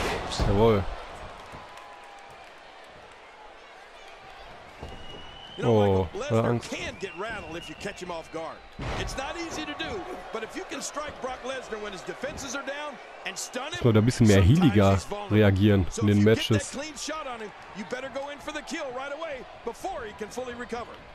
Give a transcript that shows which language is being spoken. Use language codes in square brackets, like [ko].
[de] Jawohl. Oh, [en] Lesnar can get rattled if you catch him off guard. It's not easy to do, but if you can strike Brock Lesnar when his defenses are down and stun him, [de] sollte ein bisschen mehr heeliger reagieren in den Matches. [en] So if you get that clean shot on him, you better go in for the kill right away before he can fully recover.